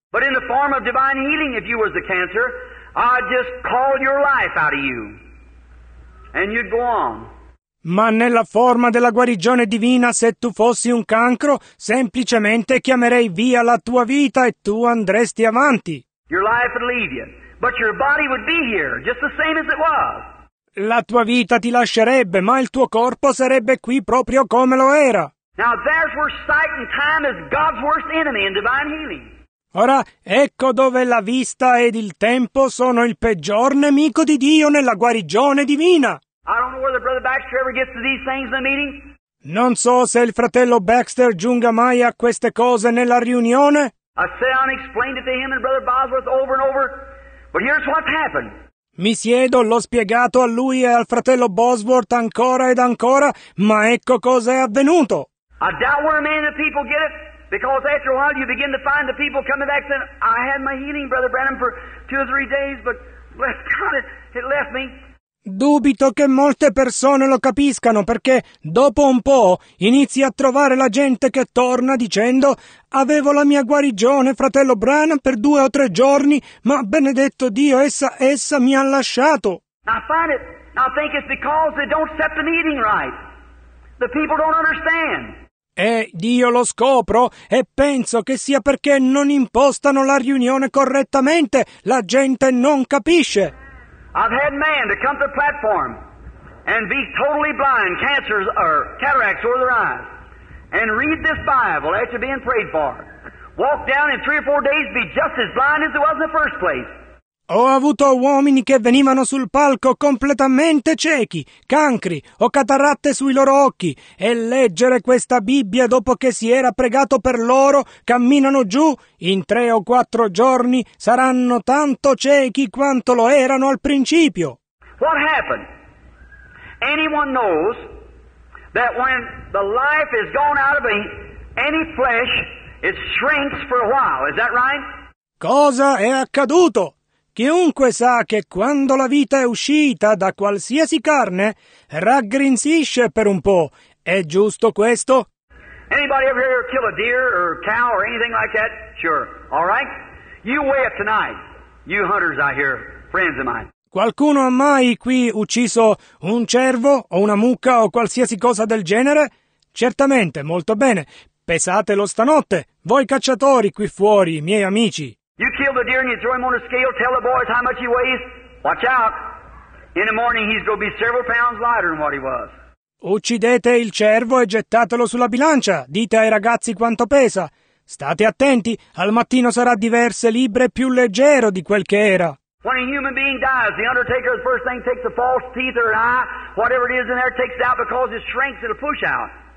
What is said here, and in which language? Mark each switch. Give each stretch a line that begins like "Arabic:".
Italian: Ma in forma di divina healing, se tu fossi il cancer,
English: I'd just call your life out of you. And you'd go on.
Italian: Ma nella forma della guarigione divina, se tu fossi un cancro, semplicemente chiamerei via la tua vita e tu andresti avanti.
English: Your life would leave you, but your body would be here, just the same as it was.
Italian: La tua vita ti lascerebbe, ma il tuo corpo sarebbe qui proprio come lo era.
English: Now there's where sight and time is God's worst enemy in divine healing.
Italian: Ora, ecco dove la vista ed il tempo sono il peggior nemico di Dio nella guarigione divina.
English: I don't know whether Brother Baxter ever gets to these things in the meeting.
Italian: Non so se il fratello Baxter giunga mai a queste cose nella riunione.
English: I sat down and explained it to him and Brother Bosworth over and over. But here's what's happened.
Italian: Mi siedo, l'ho spiegato a lui e al fratello Bosworth ancora ed ancora, ma ecco cosa è avvenuto.
English: I doubt where many of the people get it, because after a while you begin to find the people coming back saying, I had my healing, Brother Branham, for two or three days, but bless God, it left me.
Italian: Dubito che molte persone lo capiscano, perché dopo un po' inizi a trovare la gente che torna dicendo «Avevo la mia guarigione, fratello Branham, per due o tre giorni, ma benedetto Dio, essa mi ha lasciato!»
English: I find it, I think it's because they don't set the meeting right. The people don't understand.
Italian: E Dio lo scopro e penso che sia perché non impostano la riunione correttamente, la gente non capisce.
English: I've had man to come to the platform and be totally blind, cancers or cataracts over their eyes, and read this Bible after being prayed for, walk down in 3 or 4 days be just as blind as it was in the first place.
Italian: Ho avuto uomini che venivano sul palco completamente ciechi, cancri o cataratte sui loro occhi, e leggere questa Bibbia dopo che si era pregato per loro, camminano giù, in 3 o 4 giorni saranno tanto ciechi quanto lo erano al principio.
English: What happened? Anyone knows that when the life is gone out of any flesh, it shrinks for a while, is that right?
Italian: Cosa è accaduto? Chiunque sa che quando la vita è uscita da qualsiasi carne, raggrinzisce per un po'. È giusto questo?
English: Anybody ever kill a deer or a cow or anything like that? Sure. All right? You weigh it tonight. You hunters out here, friends of mine.
Italian: Qualcuno ha mai qui ucciso un cervo o una mucca o qualsiasi cosa del genere? Certamente, molto bene. Pesatelo stanotte, voi cacciatori qui fuori, miei amici.
English: You kill the deer and you throw him on a scale, tell the boys how much he weighs. Watch out. In the morning he's going to be several pounds lighter than what he was.
Italian: Uccidete il cervo e gettatelo sulla bilancia. Dite ai ragazzi quanto pesa. State attenti, al mattino sarà diverse libbre più leggero di quel che era.
English: When a human being dies, the undertaker the first thing takes the false teeth or an eye, whatever it is in there, takes it out because it shrinks, it'll push out.